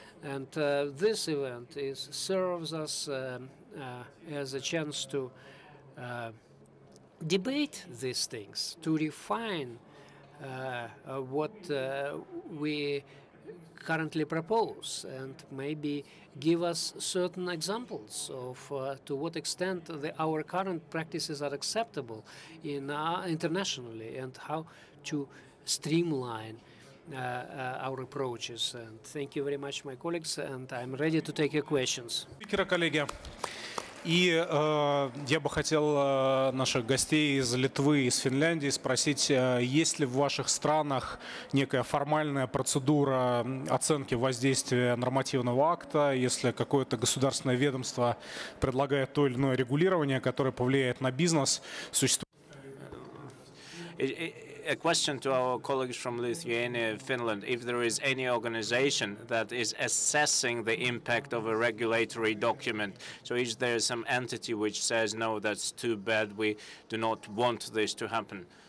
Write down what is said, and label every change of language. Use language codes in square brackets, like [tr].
[en] And this event serves us as a chance to debate these things, to refine what we currently propose, and maybe give us certain examples of to what extent the, our current practices are acceptable in internationally, and how to streamline our approaches. And thank you very much, my colleagues, and I'm ready to take your questions. [ru] И я бы хотел наших гостей из Литвы, из Финляндии спросить, есть ли в ваших странах некая формальная процедура оценки воздействия нормативного акта, если какое-то государственное ведомство предлагает то или иное регулирование, которое повлияет на бизнес, существует... [en] A question to our colleagues from Lithuania, Finland, if there is any organization that is assessing the impact of a regulatory document. So is there some entity which says, no, that's too bad, we do not want this to happen?